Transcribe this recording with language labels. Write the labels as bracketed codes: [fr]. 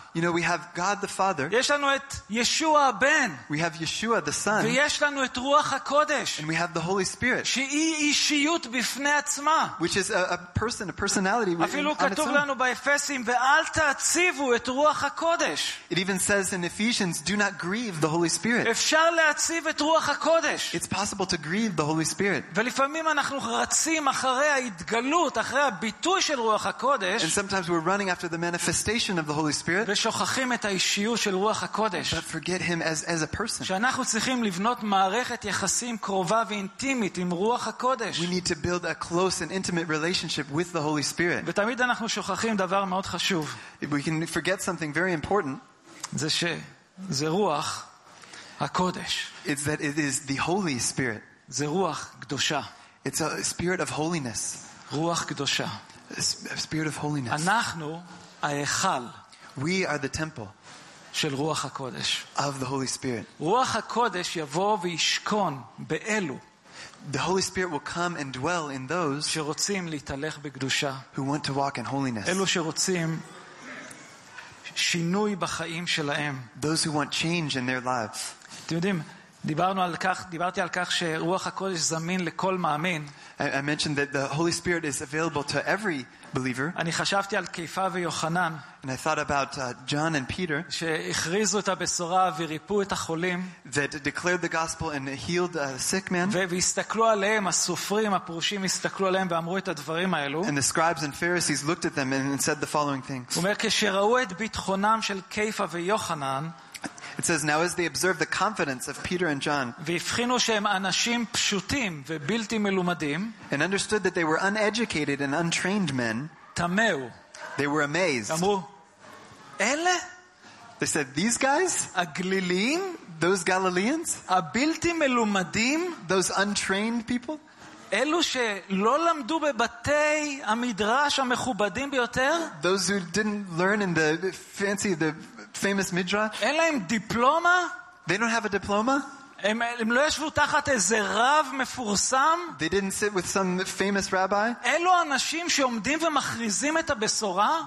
[en] You know we have God the Father. [he] יש לנו את ישוע הבן. [en] We have Yeshua the Son. [he] ויש לנו את רוח הקודש. [en] And we have the Holy Spirit. [he] שהיא אישיות בפני עצמה. [en] which is a person, a personality. [he] אפילו כתוב לנו באפסים, ואל תעציבו את רוח הקודש. [en] It even says in Ephesians, do not grieve the Holy Spirit. [he] אפשר להציב את רוח הקודש. [en] It's possible to grieve the Holy Spirit. [he] ולפעמים אנחנו רצים אחרי ההתגלות, אחרי הביטוי של רוח הקודש. [en] And sometimes we're running after the manifestation of the Holy Spirit. [he] ושוכחים את האישיות של רוח הקודש. [en] But forget him as a person. [he] שאנחנו צריכים לבנות מערכת יחסים קרובה ואינטימית עם רוח הקודש. [en] We need to build a close and intimate relationship with the Holy Spirit. [he] ותמיד אנחנו שוכחים דבר מאוד חשוב. [en] We can forget something very important. [he] זה ש זה רוח הקודש. [en] It's that it is the Holy Spirit. [he] זה רוח קדושה. [en] It's a spirit of holiness. [he] רוח קדושה. [en] A spirit of holiness. [he] אנחנו ההיכל. [en] We are the temple. [he] של רוח הקודש. [en] Of the Holy Spirit. [he] רוח הקודש יבוא וישכון באלו. [en] The Holy Spirit will come and dwell in those [he] שרוצים להתהלך בקדושה. [en] Who want to walk in holiness. [he] אלו שרוצים שינוי בחיים שלהם. [en] Those who want change in their lives. [he] אתם יודעים, דיברתי על כך שרוח הקודש זמין לכל מאמין. [en] I mentioned that the Holy Spirit is available to every believer. [he] אני חשבתי על קיפה ויוחנן. [en] And I thought about John and Peter. [he] שהכריזו את הבשורה וריפו את החולים. [en] That declared the gospel and healed a sick man. [he] והסתכלו עליהם הסופרים הפרושים הסתכלו עליהם ואמרו את הדברים האלו. [en] And the scribes and Pharisees looked at them and said the following things. [he] אומר כשראו את ביטחונם של קיפה ויוחנן. [en] It says now as they observed the confidence of Peter and John [he] והבחינו שהם אנשים פשוטים ובלתי מלומדים [en] and understood that they were uneducated and untrained men [he] תמהו [en] they were amazed [he] אמרו אלה [en] they said these guys [he] הגליליים [en] those Galileans [he] הבלתי מלומדים [en] those untrained people [he] אלו שלא למדו בבתי המדרש המכובדים ביותר [en] those who didn't learn in the fancy the famous midrash [he] אין להם דיפלומה [en] they don't have a diploma [he] הם לא ישבו תחת איזה רב מפורסם [en] they didn't sit with some famous rabbi [he] אלו אנשים שעומדים ומכריזים את הבשורה